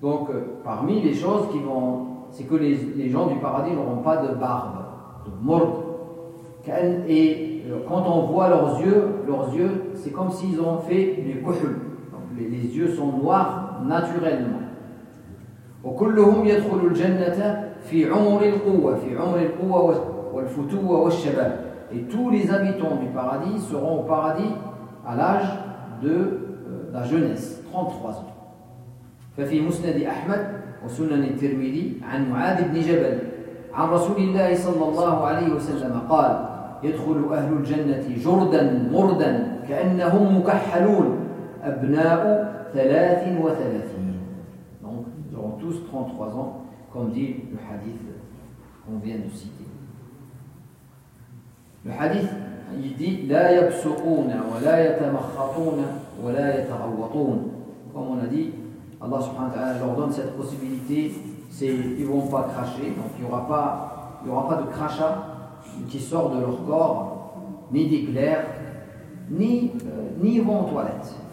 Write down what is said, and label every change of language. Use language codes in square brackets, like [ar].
[fr] Donc parmi les choses qui vont, c'est que les gens du paradis n'auront pas de barbe, de mordes. Et quand on voit leurs yeux, c'est comme s'ils ont fait du kuhl. Les yeux sont noirs naturellement. [ar] وكلهم يدخل الجنة في عمر القوة في عمر القوة والفتوة والشباب. [fr] Et tous les habitants du paradis seront au paradis à l'âge de la jeunesse, 33 ans. [ar] ففي مسند أحمد وسنن الترمذي عن معاذ بن جبل عن رسول الله صلى الله عليه وسلم قال يدخل أهل الجنة جردا مردا كأنهم مكحلون أبناء 33 [fr] donc ils auront tous 33 ans comme dit le hadith qu'on vient de citer. Le hadith il dit [ar] la yabsuquna wa la yatamakhatuna wa la yatarawwatuna, [fr] comme on a dit Allah subhanahu wa ta'ala leur donne cette possibilité, c'est ils vont pas cracher, donc il y aura pas de crachat qui sort de leur corps, ni d'éclair, ni vont aux toilettes.